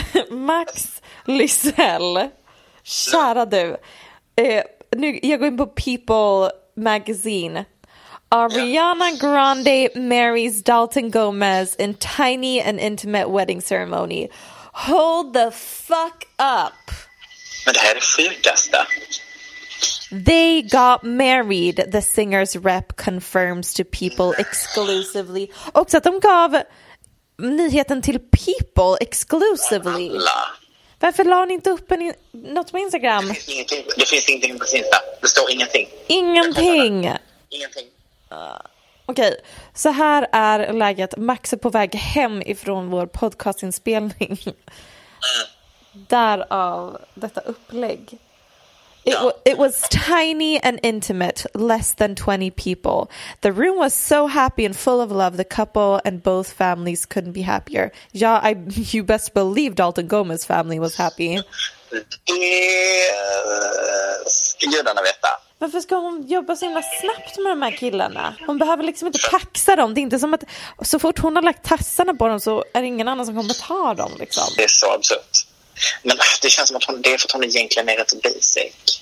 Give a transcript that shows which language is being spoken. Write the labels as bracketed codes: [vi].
[sv] Max Lysell, kära du, nu jag går in på People Magazine. [en] Ariana Grande marries Dalton Gomez in tiny and intimate wedding ceremony. Hold the fuck up. [sv] Men det här är det sjukaste. [en] They got married, the singer's rep confirms to People exclusively. [sv] Och så att de gav nyheten till People exclusively. Varför la ni inte upp något på Instagram? Det finns ingenting på Insta. Det står ingenting. Ingenting? Ingenting. Okej, så här är läget. Max är på väg hem ifrån vår podcastinspelning. Därav detta upplägg. [en] It was tiny and intimate, less than 20 people. The room was so happy and full of love. The couple and both families couldn't be happier. Ja, you best believe Dalton Gomez's family was happy. [sv] Det ska gudarna veta. Varför ska hon jobba så himla snabbt med de här killarna? Hon behöver liksom inte paxa dem. Det är inte som att så fort hon har lagt tassarna på dem så är det ingen annan som kommer ta dem liksom. Det är så absurt. Men det känns som att hon, det är för att hon egentligen är rätt basic.